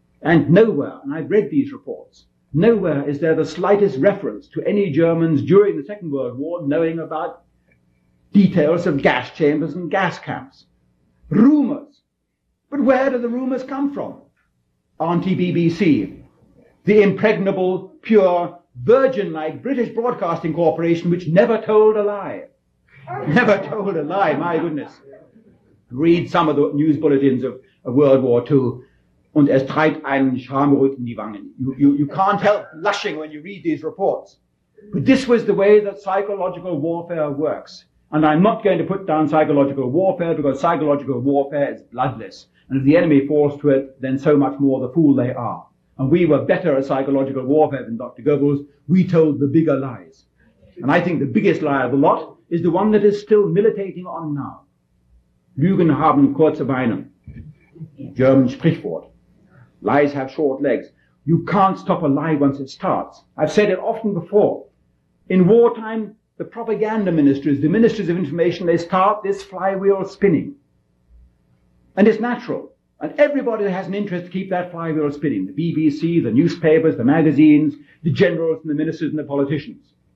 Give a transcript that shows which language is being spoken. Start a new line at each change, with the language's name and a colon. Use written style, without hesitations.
English: And nowhere, and I've read these reports, nowhere is there the slightest reference to any Germans during the Second World War knowing about details of gas chambers and gas camps. Rumors. But where do the rumors come from? Auntie BBC, the impregnable, pure, virgin-like British Broadcasting Corporation, which never told a lie. Never told a lie, my goodness. Read some of the news bulletins of World War II.
German: Und es treibt einen Schamrot in die Wangen.
English: You can't help blushing when you read these reports. But this was the way that psychological warfare works. And I'm not going to put down psychological warfare because psychological warfare is bloodless. And if the enemy falls to it, then so much more the fool they are. and we were better at psychological warfare than Dr. Goebbels, we told the bigger lies. And I think the biggest lie of the lot is the one that is still militating on now.
German: Lügen haben kurze Beine.
English: German Sprichwort. Lies have short legs. You can't stop a lie once it starts. I've said it often before. In wartime, the propaganda ministries, the ministries of information, they start this flywheel spinning. And it's natural. And everybody has an interest to keep that flywheel spinning. The BBC, the newspapers, the magazines, the generals and the ministers and the politicians.